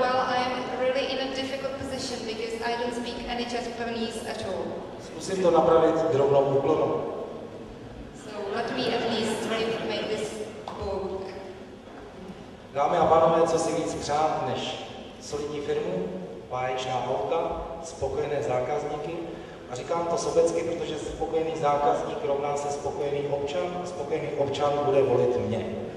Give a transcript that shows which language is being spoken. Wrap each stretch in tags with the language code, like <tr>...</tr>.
<en>Well, I am really in a difficult position because I don't speak any Japanese at all.</en> <cs>Zkusím to napravit drobnou úklonu.</cs> <en>So let me at least try to make this work.</en> <cs>Dámy a pánové, co si víc přát než solidní firmu, báječná auta, spokojené zákazníky. A říkám to sobecky, protože spokojený zákazník rovná se spokojený občan. Spokojený občan bude volit mě.</cs>